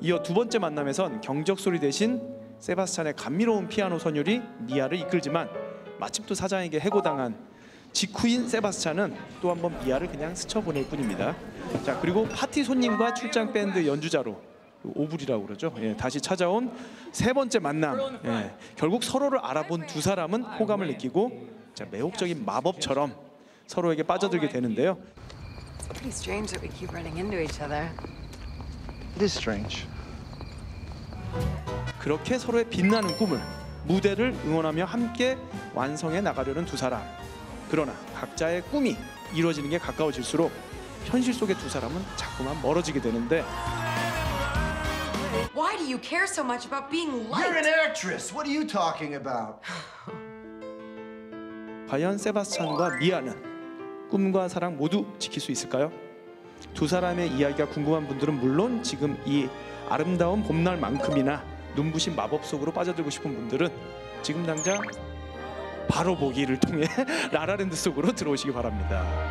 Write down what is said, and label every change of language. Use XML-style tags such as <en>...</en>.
<ko>이어 두 번째 만남에선 경적 소리 대신 세바스찬의 감미로운 피아노 선율이 미아를 이끌지만 마침 또 사장에게 해고당한 직후인 세바스찬은 또 한 번 미아를 그냥 스쳐보낼 뿐입니다. 자, 그리고 파티 손님과 출장 밴드 연주자로 오블이라고 그러죠. 예, 다시 찾아온 세 번째 만남. 예, 결국 서로를 알아본 두 사람은 호감을 느끼고 자, 매혹적인 마법처럼 서로에게 빠져들게 되는데요.</ko> <en>It's pretty strange that we keep running into each other. It is strange.</en> <ko>그렇게 서로의 빛나는 꿈을 무대를 응원하며 함께 완성해 나가려는 두 사람. 그러나 각자의 꿈이 이루어지는 게 가까워질수록 현실 속의 두 사람은 자꾸만 멀어지게 되는데.</ko> <en>Why do you care so much about being liked? You're an actress. What are you talking about?</en> <ko>과연 세바스찬과 미아는 꿈과 사랑 모두 지킬 수 있을까요? 두 사람의 이야기가 궁금한 분들은 물론 지금 이 아름다운 봄날만큼이나 눈부신 마법 속으로 빠져들고 싶은 분들은 지금 당장 바로 보기를 통해 라라랜드 속으로 들어오시기 바랍니다.</ko>